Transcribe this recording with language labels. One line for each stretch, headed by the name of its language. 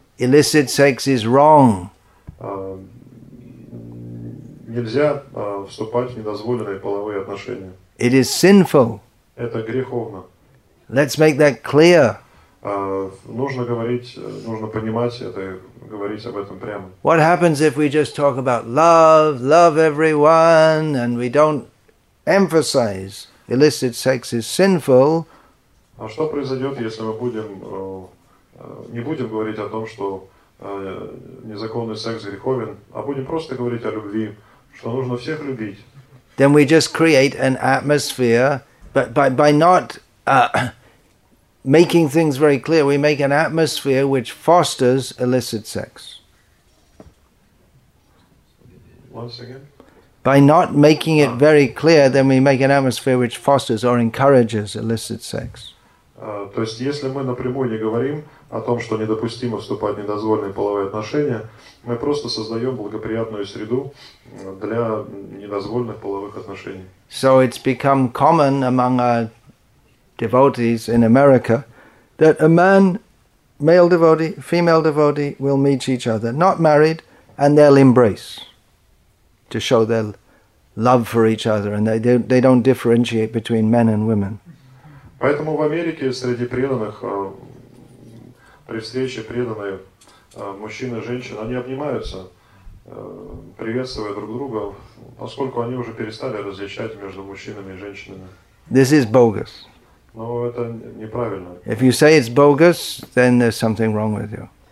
English: Illicit sex is wrong.
Russian: Нельзя вступать в недозволенные половые отношения.
English: It is sinful.
Russian: Это греховно.
English: Let's make that clear.
Russian: Нужно понимать это, говорить об этом прямо.
English: What happens if we just talk about love, love everyone, and we don't emphasize illicit sex is sinful?
Russian: А что произойдет, если мы будем не будем говорить о том, что незаконный секс греховен, а будем просто говорить о любви, что нужно всех любить.
English: Then we just create an atmosphere, but by not making things very clear, we make an atmosphere which fosters illicit sex. Once again. By not making it very clear, then we make an atmosphere which fosters or encourages illicit sex.
Russian: То есть, если мы напрямую не говорим о том, что недопустимо вступать в недозволенные половые отношения, мы просто создаем благоприятную среду для недозволенных половых отношений.
English: So it's become common among our devotees in America that a man, male devotee, female devotee, will meet each other, not married, and they'll embrace to show their love for each other, and they don't differentiate between men and women.
Russian: Поэтому в Америке среди преданных, при встрече преданные мужчины и женщины, они обнимаются, приветствуя друг друга, поскольку они уже перестали различать между мужчинами и женщинами.
English: This is bogus.
Russian: Но это неправильно.
English: If you say it's bogus, then there's something wrong with you.